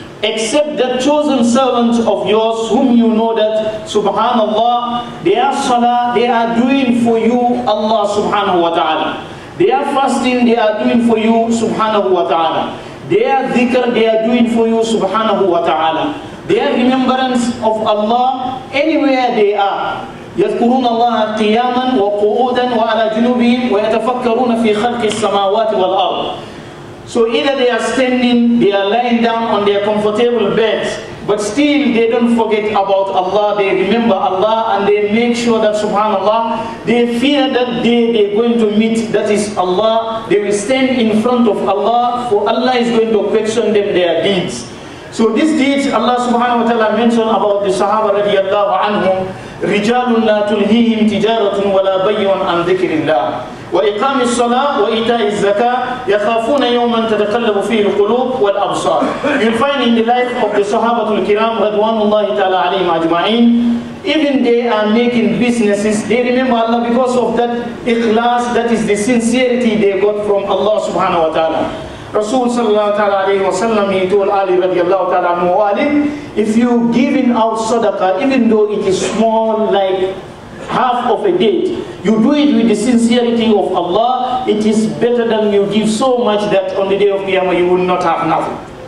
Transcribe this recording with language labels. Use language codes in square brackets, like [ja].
[en] Except the chosen servants of yours, whom you know that, subhanallah, their salah, they are doing for you, Allah subhanahu wa ta'ala. Their fasting, they are doing for you, subhanahu wa ta'ala. Their dhikr, they are doing for you, subhanahu wa ta'ala. Their remembrance of Allah, anywhere they are. [ar] يذكرون الله قياما وقعودا وعلى جنوبهم ويتفكرون في خلق السماوات والأرض. [en] So either they are standing, they are lying down on their comfortable beds, but still they don't forget about Allah, they remember Allah, and they make sure that subhanallah, they fear that day they're going to meet, that is Allah, they will stand in front of Allah, for Allah is going to question them their deeds. So these deeds Allah subhanahu wa ta'ala mentioned about the Sahaba radiallahu anhum, [ar] رِجَالٌ لَا تُلْهِيهِمْ تِجَارَةٌ وَلَا بَيْعٌ عَنْ ذِكْرِ اللَّهِ وَإِقَامِ الصَّلَاةِ وَإِيتَاءِ الزَّكَاةِ يَخَافُونَ يَوْمًا تَتَقَلَّبُ فِيهِ الْقُلُوبُ وَالْأَبْصَارُ. [en] You'll find in the life of the Sahaba al-Kiram, Radwanullahi ta'ala alayhim ajma'in, even they are making businesses, they remember Allah because of that ikhlas, that is the sincerity they got from Allah subhanahu wa ta'ala. Rasul sallallahu ta'ala alayhi wa sallam, he told Ali radiallahu ta'ala anhu wa alim, if you giving out sadaqah, even though it is small like half of a date, you do it with the sincerity of Allah, it is better than you give so much that on the day of Qiyamah you will not have nothing.